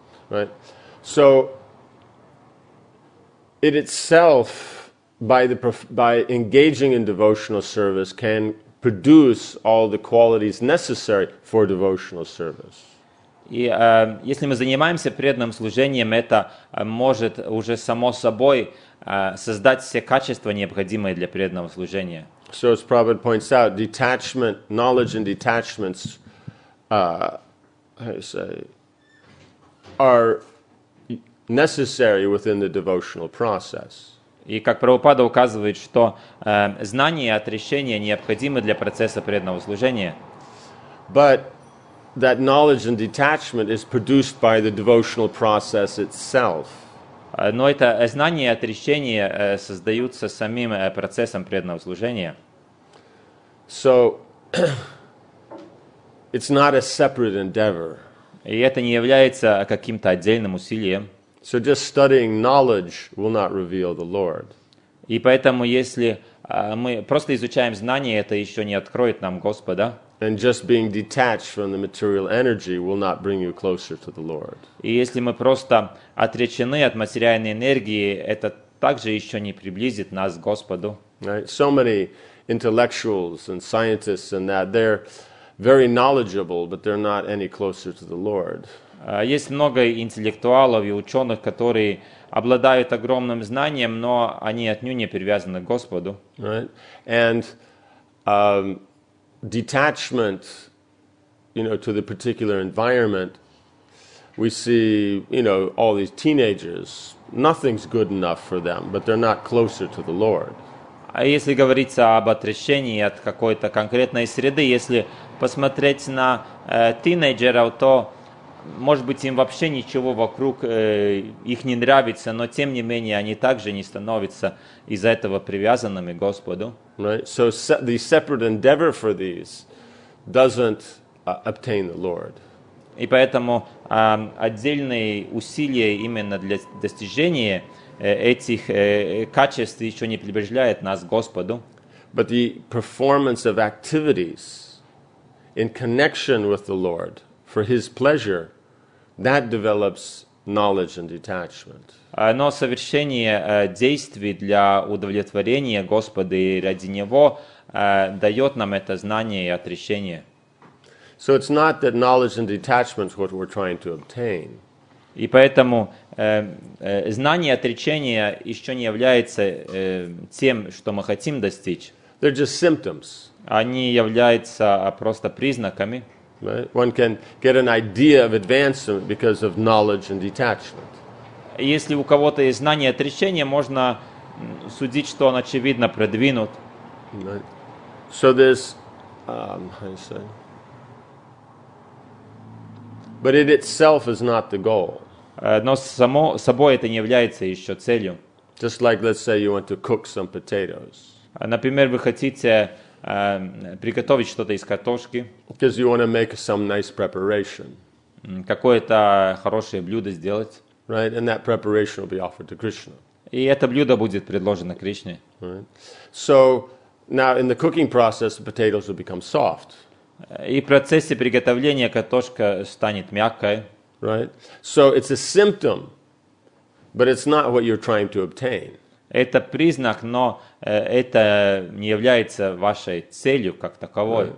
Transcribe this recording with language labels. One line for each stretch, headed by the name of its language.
English: Right, so it itself, by engaging in devotional service, can produce all the qualities necessary for devotional service.
Russian: И если мы занимаемся преданным служением, это может уже само собой создать все качества, необходимые для преданного служения.
English: So as Prabhupada points out, detachment, knowledge and detachments, how do you say, are necessary within the devotional process.
Russian: И как Прабхупада указывает, что знание и отрешение необходимы для процесса преданного служения.
English: But that knowledge and detachment is produced by the devotional process itself.
Russian: Но это знание и отрешение создаются самим процессом преданного служения.
English: So, It's not a separate endeavor.
Russian: И это не является каким-то отдельным усилием.
English: So just studying knowledge will not reveal the Lord.
Russian: И поэтому, если мы просто изучаем знания, это еще не откроет нам Господа.
English: And just being detached from the material energy will not bring you closer to the Lord.
Russian: И если мы просто отречены от материальной энергии, это также еще не приблизит нас к Господу.
English: Right? So many intellectuals and scientists and that, they're very knowledgeable, but they're not any closer to the Lord.
Russian: Есть много интеллектуалов и ученых, которые обладают огромным знанием, но они отнюдь не привязаны к Господу.
English: Right? And detachment, you know, to the particular environment, we see, you know, all these teenagers, nothing's good enough for them, but they're not closer to the Lord.
Russian: А если говорится об отрешении от какой-то конкретной среды, если посмотреть на тинейджеров, то, может быть, им вообще ничего вокруг их не нравится, но, тем не менее, они также не становятся из-за этого привязанными к Господу.
English: Right. So the separate endeavor for these doesn't obtain the Lord.
Russian: И поэтому отдельные усилия именно для достижения этих качеств еще не приближают нас к Господу.
English: But the performance of activities in connection with the Lord for His pleasure, that develops knowledge and detachment.
Russian: Но совершение действий для удовлетворения Господа и ради Него дает нам это знание и отрешение.
English: So it's not that knowledge and detachment is what we're trying to obtain.
Russian: И поэтому знание и отречение еще не является тем, что мы хотим достичь.
English: They're just symptoms.
Russian: Они являются просто признаками.
English: Right? One can get an idea of advancement because of knowledge and detachment.
Russian: Если у кого-то есть знание и отречение, можно судить, что он очевидно продвинут.
English: Right. So this, how you say? But it itself is not the goal.
Russian: Но само собой это не является еще целью.
English: Just like, let's say, you want to cook some potatoes.
Russian: Например, вы хотите приготовить что-то из картошки.
English: Because you want to make some nice preparation.
Russian: Какое-то хорошее блюдо сделать.
English: Right, and that preparation will be offered to Krishna.
Russian: И это блюдо будет предложено Кришне.
English: Right. So now in the cooking process, the potatoes will become soft.
Russian: И в процессе приготовления картошка станет мягкой.
English: Right. So it's a symptom, but it's not what you're trying to obtain.
Russian: Это признак, но это не является вашей целью как таковой.